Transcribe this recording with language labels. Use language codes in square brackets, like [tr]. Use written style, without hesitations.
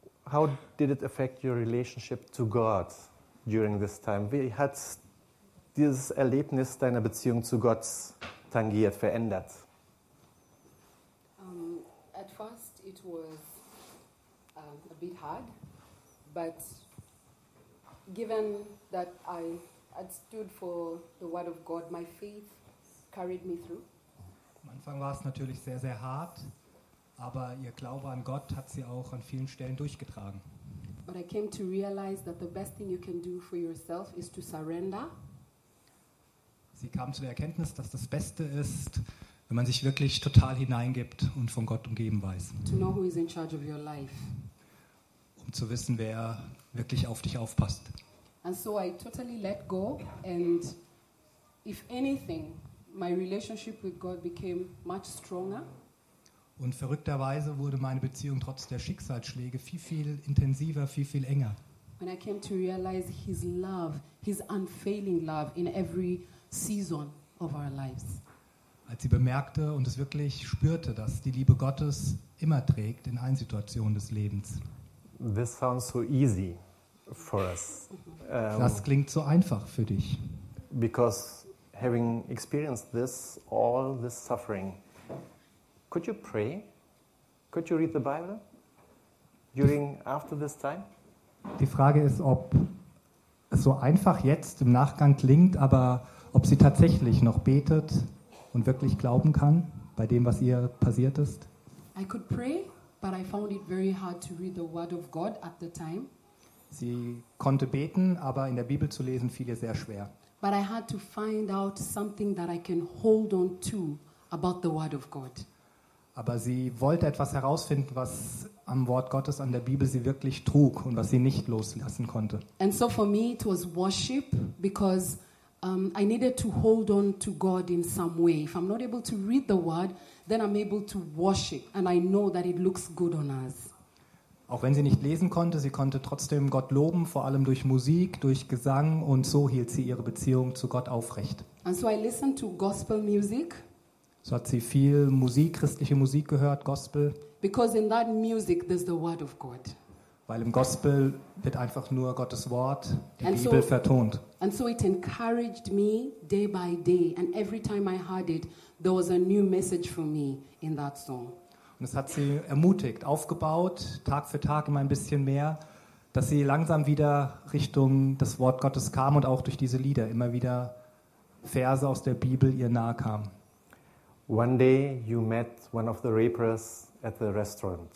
[en] How did it affect your relationship to God during this time? [de] Wie hat dieses Erlebnis deiner Beziehung zu Gott tangiert, verändert? [en] At first it was a bit hard, but given that I had stood for the word of God, my faith carried me through. [de] Am Anfang war es natürlich sehr, sehr hart, aber ihr Glaube an Gott hat sie auch an vielen Stellen durchgetragen. [en] But I came to realize that the best thing you can do for yourself is to surrender. [de] Sie kam zu der Erkenntnis, dass das Beste ist, wenn man sich wirklich total hineingibt und von Gott umgeben weiß. [en] To know who is in charge of your life. [de] Um zu wissen, wer wirklich auf dich aufpasst. [en] And so I totally let go, and if anything, my relationship with God became much stronger. [de] Und verrückterweise wurde meine Beziehung trotz der Schicksalsschläge viel, viel intensiver, viel, viel enger. [en] When I came to realize his love, his unfailing love in every season of our lives. [de] Als sie bemerkte und es wirklich spürte, dass die Liebe Gottes immer trägt in allen Situationen des Lebens. [en] This sounds so easy for us. [de] Das klingt so einfach für dich. [en] Because having experienced this, all this suffering, could you pray? Could you read the Bible during after this time? [de] Die Frage ist, ob es so einfach jetzt im Nachgang klingt, aber ob sie tatsächlich noch betet und wirklich glauben kann bei dem, was ihr passiert ist. [en] I could pray, but I found it very hard to read the word of God at the time. [de] Sie konnte beten, aber in der Bibel zu lesen fiel ihr sehr schwer. [en] But I had to find out something that I can hold on to about the word of God. [de] Aber sie wollte etwas herausfinden, was am Wort Gottes, an der Bibel sie wirklich trug und was sie nicht loslassen konnte. [en] And so for me it was worship, because I needed to hold on to God in some way. If I'm not able to read the word, then I'm able to worship and I know that it looks good on us. [de] Auch wenn sie nicht lesen konnte, sie konnte trotzdem Gott loben, vor allem durch Musik, durch Gesang, und so hielt sie ihre Beziehung zu Gott aufrecht. [en] And so I listened to gospel music. [de] So hat sie viel Musik, christliche Musik gehört, Gospel. [en] Because in that music there's the word of God. [de] Weil im Gospel wird einfach nur Gottes Wort, die and Bibel, so, vertont. [en] And so it encouraged me day by day, and every time I heard it, there was a new message for me in that song. [de] Und es hat sie ermutigt, aufgebaut, Tag für Tag immer ein bisschen mehr, dass sie langsam wieder Richtung das Wort Gottes kam und auch durch diese Lieder immer wieder Verse aus der Bibel ihr nahe kamen. [en] One day you met one of the rapers at the restaurant.